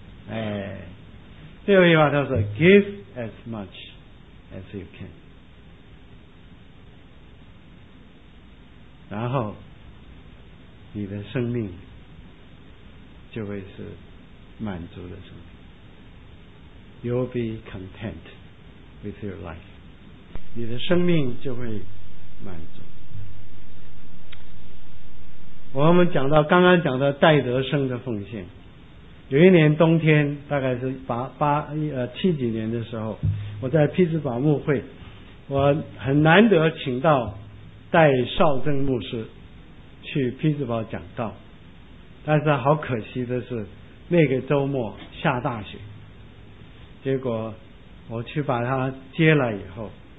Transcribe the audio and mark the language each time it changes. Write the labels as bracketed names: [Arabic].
[Chinese] 哎，最后一句话叫做 [English] give as much as you can， [Chinese] 然后你的生命就会是满足的生命。 [English] You'll be content with your life， [Chinese] 你的生命就会满足。我们讲到刚刚讲到戴德生的奉献，有一年冬天，大概是七几年的时候，我在匹兹堡牧会，我很难得请到戴绍正牧师去匹兹堡讲道，但是好可惜的是那个周末下大雪，结果我去把他接来以后，